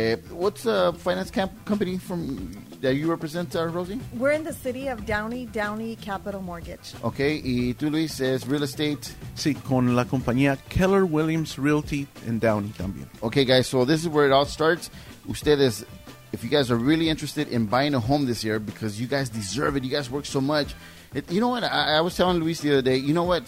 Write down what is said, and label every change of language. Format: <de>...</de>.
<en>What's a finance company from that you represent, Rosie? We're in the city of Downey, Downey Capital Mortgage.</en> <es>Okay, y tú, Luis, es real estate. Sí, con la compañía Keller Williams Realty en Downey también.</es> <en>Okay, guys, so this is where it all starts. Ustedes... If you guys are really interested in buying a home this year, because you guys deserve it, you guys work so much. It, you know what? I was telling Luis the other day, you know what?</en>